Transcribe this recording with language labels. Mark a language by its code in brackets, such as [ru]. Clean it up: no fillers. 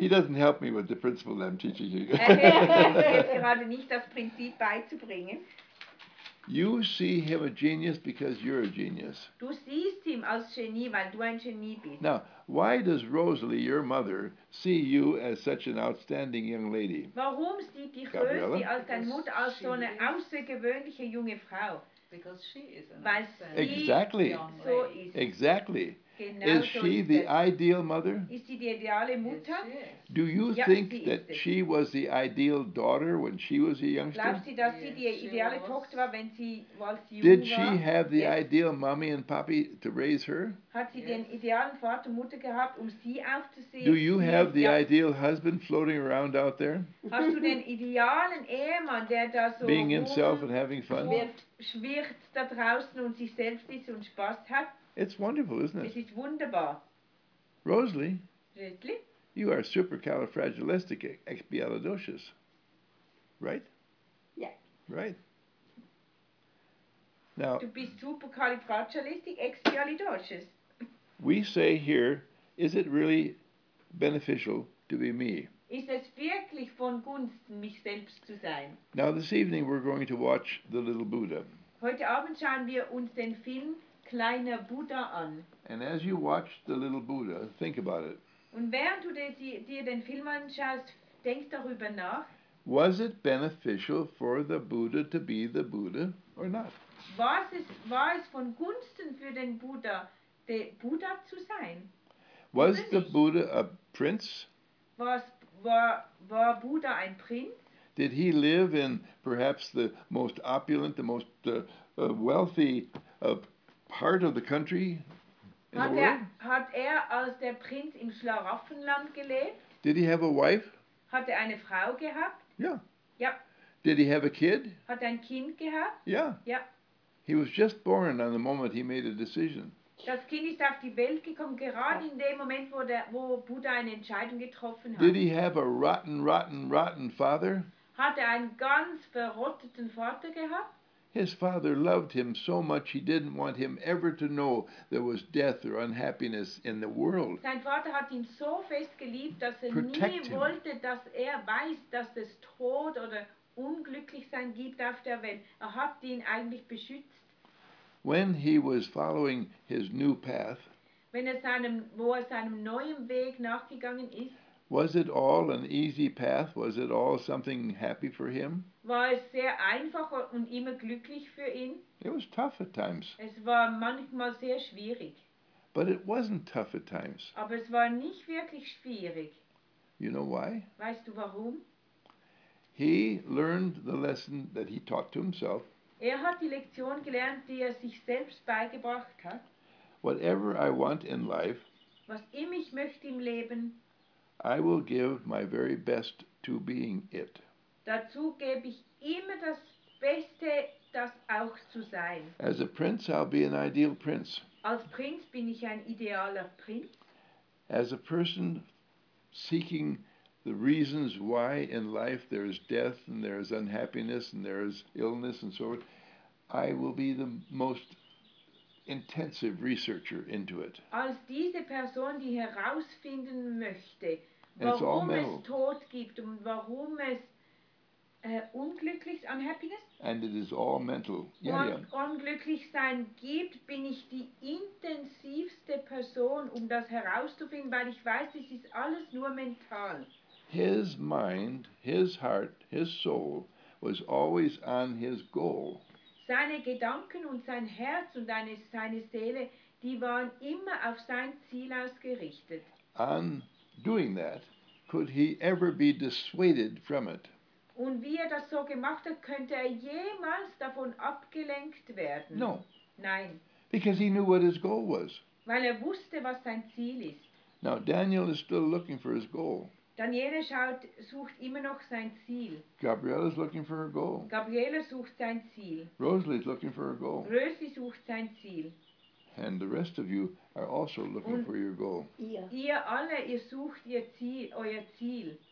[en] He doesn't help me with the principle that I'm teaching you. [de] Er hilft mir gerade nicht, das Prinzip beizubringen. [en] You see him a genius because you're a genius. [de] Du siehst ihn als Genie, weil du ein Genie bist. [en] Now, why does Rosalie, your mother, see you as such an outstanding young lady? [de] Warum sieht dich Rosalie als deine Mutter als so eine außergewöhnliche junge Frau? [en] Because she is an outstanding young lady. Exactly. [de] So ist. [en] Exactly. Is she the ideal mother? [de] Ist sie die ideale Mutter? [en] Yes, she is. Do you think that she was the ideal daughter when she was a youngster? [de] Glaubst du, dass sie die ideale Tochter war, wenn sie als jung war? [en] Did she have the ideal mommy and papi to raise her? [de] Hat sie den idealen Vater und Mutter gehabt, um sie aufzusehen? [en] Do you have the ideal husband floating around out there? [de] Hast du den idealen Ehemann, der da so [en] being himself and having fun? [de] Schwirrt da draußen und sich selbst ist und Spaß hat? [en] It's wonderful, isn't it? [de] Es ist wunderbar. [en] Rosalie? Ritli? You are supercalifragilisticexpialidocious. Right? Yeah. Right. Now, [de] du bist supercalifragilisticexpialidocious. [en] We say here, is it really beneficial to be me? [de] Ist es wirklich von Gunsten, mich selbst zu sein? [en] Now this evening we're going to watch The Little Buddha. [de] Heute Abend schauen wir uns den Film Kleiner Buddha an. [en] And as you watch The Little Buddha, think about it. [de] Und während du dir den Film anschaust, denk darüber nach. [en] Was it beneficial for the Buddha to be the Buddha or not? [de] War es von Gunsten für den Buddha, der Buddha zu sein? [en] Was the Buddha a prince? [de] War Buddha ein Prinz? [en] Did he live in perhaps the most opulent, the most wealthy part of the country in the world? [de] Hat er als der Prinz im Schlaraffenland gelebt? [en] Did he have a wife? [de] Hat er eine Frau gehabt? [en] Yeah. Yep. Did he have a kid? [de] Hat er ein Kind gehabt? [en] Yeah. Yep. He was just born on the moment he made a decision. [de] Das Kind ist auf die Welt gekommen, gerade in dem Moment, wo Buddha eine Entscheidung getroffen hat. [en] Did he have a rotten, rotten, rotten father? [de] Hat er einen ganz verrotteten Vater gehabt? [en] His father loved him so much he didn't want him ever to know there was death or unhappiness in the world. [de] Sein Vater hat ihn so fest geliebt, dass er [en] Protect [de] nie wollte, [en] him. [de] Dass er weiß, dass es Tod oder Unglücklichsein gibt auf der Welt. Er hat ihn eigentlich beschützt. [en] When he was following his new path, [de] wo er seinem neuen Weg nachgegangen ist, [en] was it all an easy path? Was it all something happy for him? [de] War es sehr einfach und immer glücklich für ihn? [en] It was tough at times. [de] Es war manchmal sehr schwierig. [en] But it wasn't tough at times. [de] Aber es war nicht wirklich schwierig. [en] You know why? [de] Weißt du warum? [en] He learned the lesson that he taught to himself. [de] Er hat die Lektion gelernt, die er sich selbst beigebracht hat. [en] Whatever I want in life, [de] was immer ich möchte im Leben, [en] I will give my very best to being it. [de] Dazu gebe ich immer das Beste, das auch zu sein. [en] As a prince, I'll be an ideal prince. [de] Als Prinz bin ich ein idealer Prinz. [en] As a person seeking the reasons why in life there is death and there is unhappiness and there is illness and so forth, I will be the most intensive researcher into it. [de] Als diese Person, die herausfinden möchte, warum es Tod gibt und warum es unglücklich, unhappiness? [en] And it is all mental. [de] Yeah, unglücklich sein gibt, bin ich die intensivste Person, um das herauszufinden, weil ich weiß, es ist alles nur mental. [en] His mind, his heart, his soul was always on his goal. [de] Seine Gedanken und sein Herz und seine Seele, die waren immer auf sein Ziel ausgerichtet. [en] On doing that, could he ever be dissuaded from it? [de] Und wie er das so gemacht hat, könnte er jemals davon abgelenkt werden? [en] No. [de] Nein. [en] Because he knew what his goal was. [de] Weil er wusste, was sein Ziel ist. [en] Now Daniel is still looking for his goal. [de] Daniele sucht immer noch sein Ziel. [en] Gabriela is looking for her goal. [de] Gabriela sucht sein Ziel. [en] Rosalie is looking for her goal. [de] Rosalie sucht sein Ziel. [en] And the rest of you are also looking [de] Und [en] for your goal. [de] Ihr alle, ihr sucht ihr Ziel, euer Ziel.